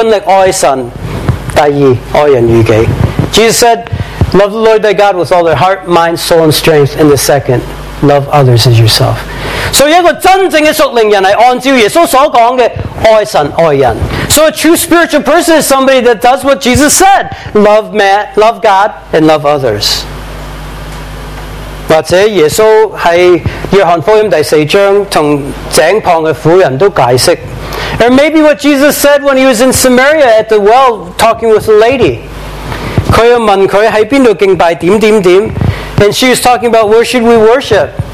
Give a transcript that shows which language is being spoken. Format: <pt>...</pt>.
<zh>耶稣说很清楚，尽心尽性尽意尽力爱神，第二爱人如己。</zh> <en>Jesus said, love the Lord thy God with all their heart, mind, soul, and strength, and the second, love others as yourself.</en> <zh>所以一个真正的属灵人是按照耶稣所说的爱神爱人。</zh> <en>So a true spiritual person is somebody that does what Jesus said, love man, love God, and love others.</en> <zh>或者耶稣在约翰福音第四章同井旁的妇人都解释。</zh> <en>Or maybe what Jesus said when he was in Samaria at the well talking with a lady.</en> <zh>他又问他在哪里敬拜点点点。</zh> <en>And she was talking about where should we worship.</en>